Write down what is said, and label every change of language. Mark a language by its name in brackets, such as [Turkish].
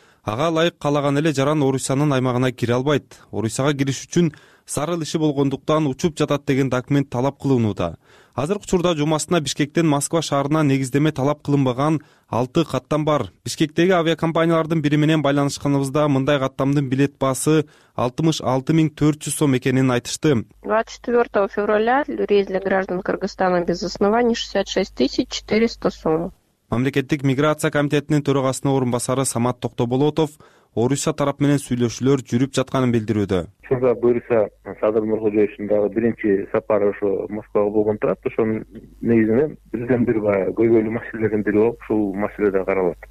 [Kyrgyz] Ага ылайык каалаган эле жаран Орусиянын аймагына кире албайт. Орусияга кириш үчүн зарыл иши болгондуктан учуп жатат деген документ талап кылынууда. Азыркы учурда жумасына Бишкектен Москва шаарына негиздеме талап кылынбаган 6 каттам бар. Бишкектеги авиакомпаниялардын бири менен байланышканыбызда мындай каттамдын билет баасы 66,400 сом экенин айтышты. [Russian] 24 февраля рейс для граждан Кыргызстана без оснований 66,400 сом. [Kyrgyz] Мамлекеттик миграция комитетинин төрагасынын орун басары Самат Токтоболотов Орусия тарап менен сүйлөшүүлөр жүрүп жатканын билдирүүдө. Ушунда буюрса Садыр Мурзажоевдин биринчи сапары ошо Москвага болгон турат. Ошонун негизинде бирден бир көйгөйлүү маселелердин бири болуп ушул маселе да каралат.